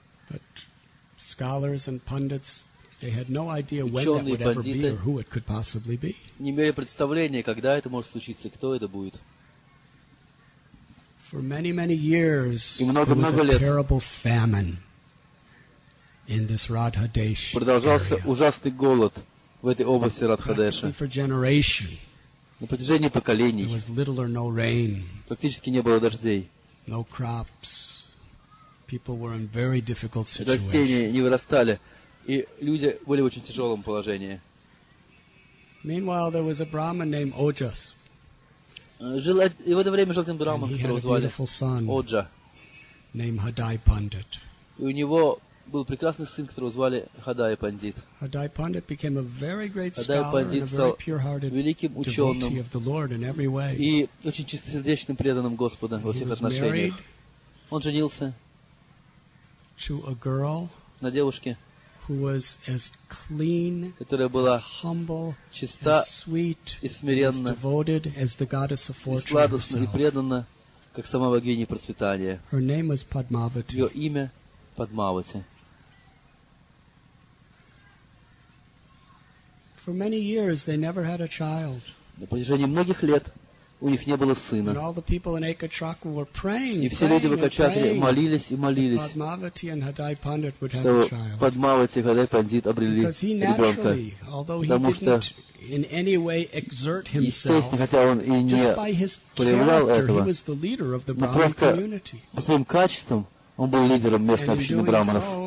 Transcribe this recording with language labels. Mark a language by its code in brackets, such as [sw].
[en] But scholars and pundits, they had no idea when that would ever be or who it could possibly be. [ru] Не имели представления, когда это может случиться, кто это будет. [en] For many, many years, there was a terrible famine in this Radhadesh area. [ru] Продолжался ужасный голод в этой области Радхадеша. [en] For generations. [ru] На протяжении поколений. [en] There was little or no rain. [ru] Практически не было дождей. [en] No crops. People were in very difficult situations. [ru] Растения не вырастали, и люди были в очень тяжелом положении. [en] Meanwhile, there was a Brahmin named Ojas. [ru] Жил, и в это время жил один Брахман, которого звали Оджа, [en] named Hadai Pandit. [ru] И у него был прекрасный сын, которого звали Хадай Пандит. [en] Hadai Pandit became a very great scholar and a very pure-hearted devotee of the Lord in every way. [ru] И очень чистосердечным преданным Господа во всех отношениях. Он женился [en] to a girl, [ru] на девушке, [en] who was as clean, [ru] которая была [en] as humble, [ru] чиста, [en] as sweet, [ru] и смиренна, [en] as devoted as the goddess of fortune, [ru] и сладостна, и преданна, как сама богиня процветания. [en] Her name was Padmavati. [ru] Ее имя Падмавати. [en] For many years they never had a child. [ru] На протяжении многих лет у них не было сына. [en] All the people in Eka Chakra were praying, [ru] и все люди в Eka Chakra молились и молились, [en] that Padmavati and Hadai Pandit would have a child. [ru] Что Падмавати и Хадай Пандит обрели ребенка. Потому что, естественно, хотя он и не проявлял этого, но просто по своим качествам он был лидером местной общины брахманов.